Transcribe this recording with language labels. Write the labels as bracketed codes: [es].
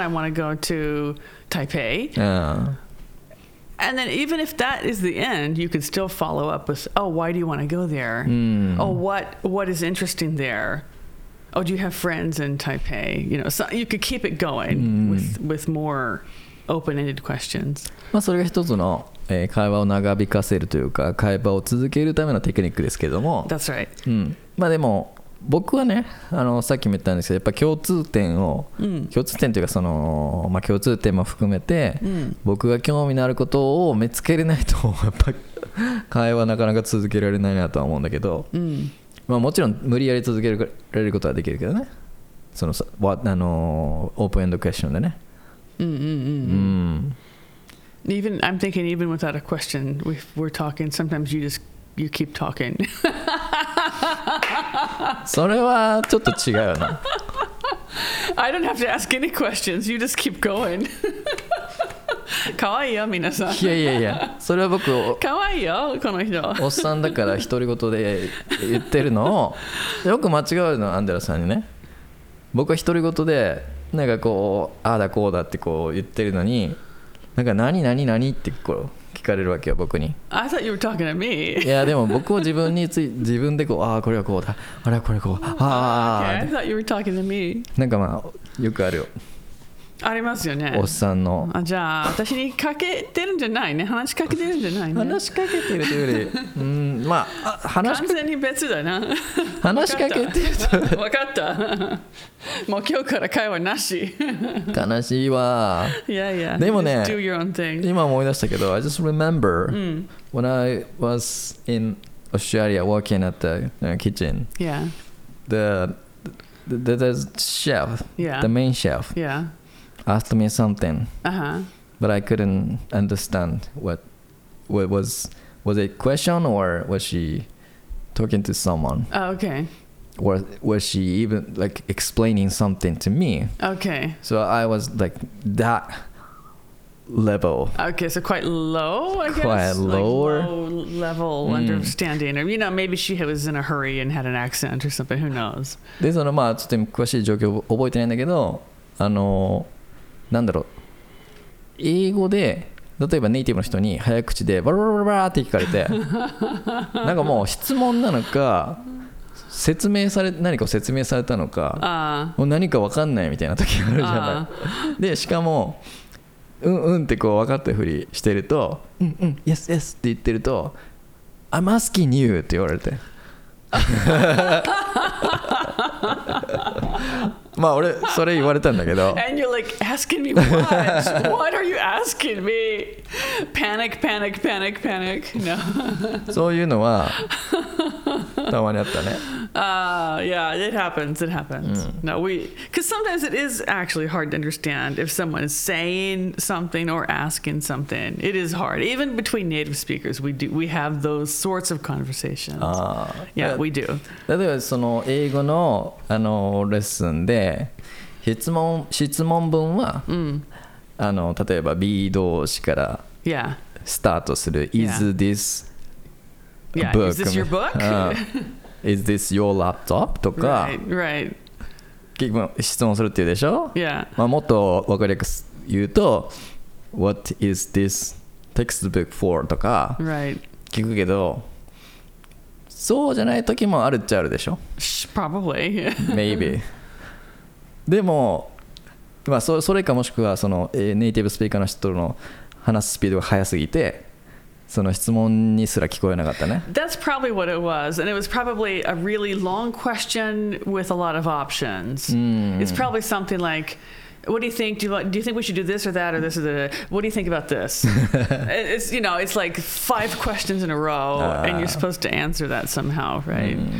[en] I want to go to Taipei. And then even if that is the end, you could still follow up with, oh, why do you want to go there? Oh, what is interesting there? Oh, do you have friends in Taipei? You know, so you could keep it going with more open-ended questions. [ja] まあそれが一つの、会話を長引かせるというか、会話を続けるためのテクニックですけども。 [en] That's right. [ja] まあでも僕はね、あのさっきも言ったんですけど、やっぱ共通点を、共通点というかその、まあ共通点も含めて、僕が興味のあることを見つけれないと、やっぱ会話なかなか続けられないなとは思うんだけど。まあ、もちろん無理やり続けられることはできるけどね、そのさ、オープンエンドクエスチョンでね。 [en] Even I'm thinking even without a question, we're talking. Sometimes you keep talking. [ja] それはちょっと違うな。 [en] I don't have to ask any questions. You just keep going. [ja] かわいいよ皆さん。いやいやいや、それは僕かわいいよこの人。おっさんだから独り言で言ってるのをよく間違うの、アンデラさんにね。僕は独り言でなんかこうああだこうだってこう言ってるのに、なんか何何何ってこう聞かれるわけよ僕に。 [en] I thought you were talking to me. [ja] いやでも僕を自分につい自分でこうああこれはこうだ、あれはこれこう、ああ、 [en] okay, I thought you were talking to me. [ja] なんかまあよくあるよ。ありますよね、おっさんの。あ、じゃあ私にかけてるんじゃないね、話しかけてるんじゃないね。話しかけてるというより、まあ、話完全に別だな。話しかけてる。分かった。もう今日から会話なし。悲しいわ。いやいや。でもね、 [en] do your own thing. [ja] 今思い出したけど、 [en] I just remember when I was in Australia working at the kitchen. Yeah. The chef. Yeah. The main chef. Yeah. Asked me something, but I couldn't understand what was it a question or was she talking to someone? Oh, okay. Or was she even like explaining something to me? Okay. So I was like that level. Okay, so quite low, I guess. Quite lower. Like low level understanding. Or, you know, maybe she was in a hurry and had an accent or something. Who knows? This one, [ja] まあちょっと詳しい状況を覚えてないんだけど、あの、なんだろう、英語で例えばネイティブの人に早口でバラバラバラって聞かれて、なんかもう質問なのか説明され何かを説明されたのか、もう何か分かんないみたいな時があるじゃない。でしかもうんうんってこう分かったふりしてると、うんうん [en] yes yes [ja] って言ってると、 [en] I'm asking you [ja] って言われて、まあ俺それ言われたんだけど。 [en] And you're like asking me what? What are you asking me? Panic, panic, panic, panic. No. [ja] そういうのはたまにあったね。 [en] Yeah, it happens. It happens.、うん、no, we, because sometimes it is actually hard to understand if someone is saying something or asking something. It is hard. Even between native speakers, we have those sorts of conversations. Yeah, we do. [ja] 例えばその英語の、レッスンで質問文は、うん、例えば B 動詞から、 [en] yeah. [ja] スタートする [en] Is this a book? Is this your book? Is this your laptop? [ja] とか [en] right, right. [ja] 質問するっていうでしょ、 [en] yeah. [ja] まあ、もっと分かりやすく言うと [en] What is this textbook for? [ja] とか聞くけど、 [en] right. [ja] そうじゃない時もあるっちゃあるでしょ [en] Probably [ja] Maybe でも、まあ、それかもしくはそのネイティブスピーカーの人の話すスピードが速すぎて、その質問にすら聞こえなかったね。 [en] That's probably what it was, and it was probably a really long question with a lot of options. It's probably something like, "What do you think? Do you think we should do this or that or this or that? What do you think about this?" It's you know, it's like five questions in a row, and you're supposed to answer that somehow, right?